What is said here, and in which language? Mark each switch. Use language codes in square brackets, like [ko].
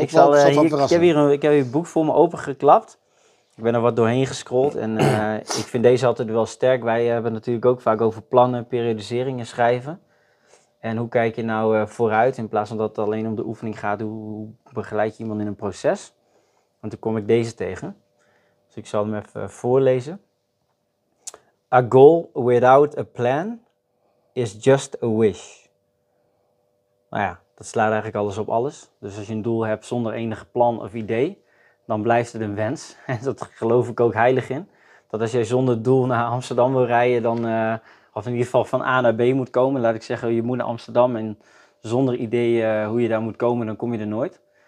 [nl] Ik heb hier een boek voor me opengeklapt. Ik ben er wat doorheen gescrolld en ik vind deze altijd wel sterk. Wij hebben natuurlijk ook vaak over plannen, periodiseringen schrijven. En hoe kijk je nou vooruit in plaats van dat het alleen om de oefening gaat. Hoe begeleid je iemand in een proces? Want toen kom ik deze tegen. Dus ik zal hem even voorlezen. [en] A goal without a plan is just a wish. [nl] Nou ja, dat slaat eigenlijk alles op alles. Dus als je een doel hebt zonder enig plan of idee, dan blijft het een wens. En dat geloof ik ook heilig in. Dat als jij zonder doel naar Amsterdam wil rijden, dan of in ieder geval van A naar B moet komen. Laat ik zeggen, je moet naar Amsterdam en zonder idee hoe je daar moet komen, dan kom je er nooit.